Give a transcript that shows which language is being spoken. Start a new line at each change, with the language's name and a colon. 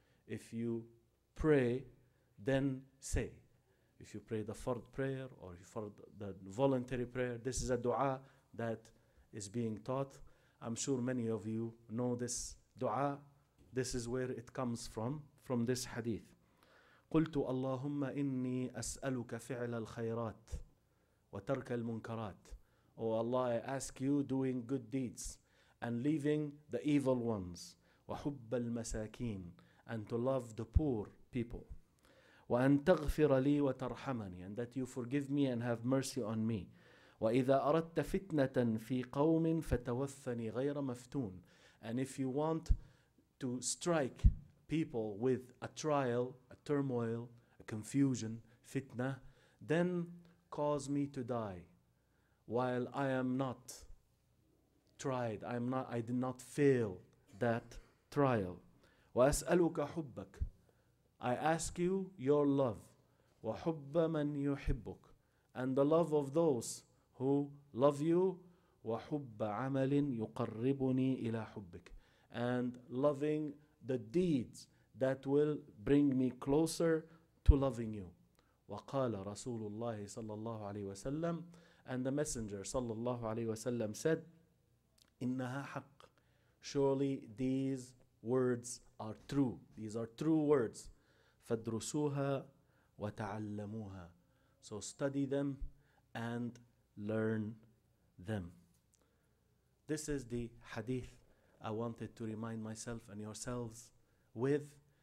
English: If you pray, then say. If you pray the fard prayer or the voluntary prayer, this is a dua that is being taught. I'm sure many of you know this dua. This is where it comes from this hadith.
Arabic: قلت اللهم إني أسألك فعل الخيرات وترك المنكرات.
English: Oh Allah, I ask you doing good deeds and leaving the evil ones.
Arabic: وحب المساكين,
English: and to love the poor people.
Arabic: وأن تغفر لي وترحمني,
English: and that you forgive me and have mercy on me.
Arabic: وإذا أردت فتنة في قوم فتوفني غير مفتون.
English: And if you want to strike people with a trial, a turmoil, a confusion, fitna, then cause me to die while I am not tried. I did not fail that trial.
Arabic: وأسألك حبك.
English: I ask you your love.
Arabic: وحب من يحبك,
English: and the love of those who love you.
Arabic: وحب عمل يقربني إلى حبك,
English: and loving the deeds that will bring me closer to loving you.
Arabic: وقال رسول الله صلى الله عليه وسلم,
English: and the messenger
Arabic: صلى الله عليه وسلم said, إنها حق.
English: Surely these words are true. These are true words.
Arabic: فدرسوها وتعلموها.
English: So study them and learn them. This is the hadith I wanted to remind myself and yourselves with.